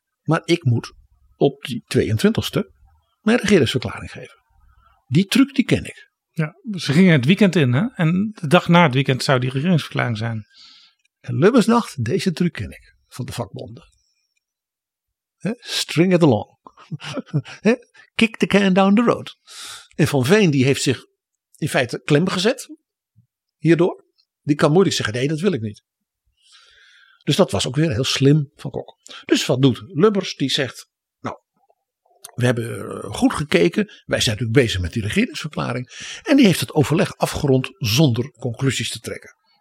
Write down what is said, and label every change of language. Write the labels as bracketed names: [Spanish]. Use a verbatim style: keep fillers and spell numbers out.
[Dutch] Maar ik moet op die tweeëntwintigste mijn regeringsverklaring geven. Die truc die ken ik. Ja, ze gingen het weekend in, hè? En de dag na het weekend zou die regeringsverklaring zijn. En Lubbers dacht, deze truc ken ik van de vakbonden. [English] He, string it along. He, kick the can down the road. [Dutch] En Van Veen die heeft zich in feite klem gezet hierdoor. Die kan moeilijk zeggen, nee dat wil ik niet. Dus dat was ook weer heel slim van Kok. Dus wat doet Lubbers? Die zegt, we hebben goed gekeken. Wij zijn natuurlijk bezig met die regeringsverklaring. En die heeft het overleg afgerond zonder conclusies te trekken.